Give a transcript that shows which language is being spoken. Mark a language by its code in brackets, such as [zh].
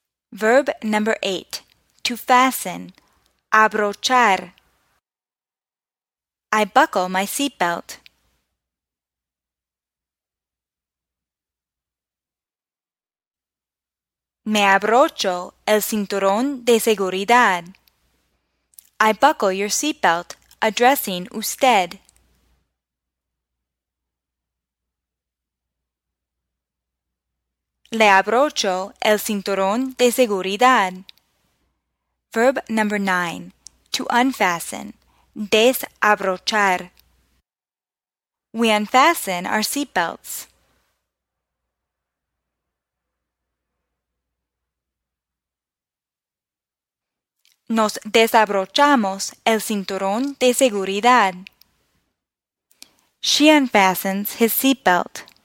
[en] Verb number 8. To fasten. Abrochar. I buckle my seatbelt. [es] Me abrocho el cinturón de seguridad. [en] I buckle your seatbelt, addressing usted. [es] Le abrocho el cinturón de seguridad. [en] Verb number 9. To unfasten. Desabrochar. We unfasten our seatbelts. [es] Nos desabrochamos el cinturón de seguridad. [en] She unfastens his seatbelt.